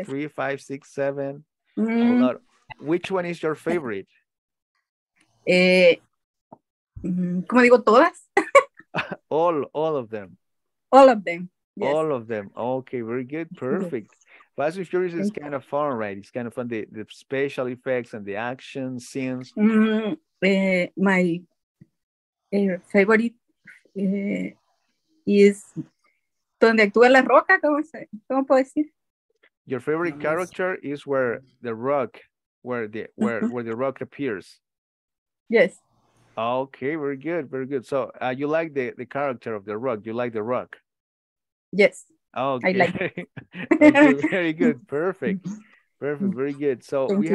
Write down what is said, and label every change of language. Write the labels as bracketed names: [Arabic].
[English] 1, 2, 3, 5, 6, 7. A lot. Which one is your favorite? [Spanish] ¿Cómo digo todas? [English] all of them. All of them. Yes. All of them. Okay, very good. Perfect. Yes. Fast and Furious is kind of fun, right? It's kind of fun. The special effects and the action scenes. My favorite is [Spanish] donde actúa la Roca, ¿cómo puedo decir? [English] Your favorite character is where the Rock, where the Rock appears. Yes. Okay, very good, very good. So you like the character of the Rock? You like the Rock? Yes. Okay. I like. Okay, very good. Perfect. Perfect. Very good. So thank we you.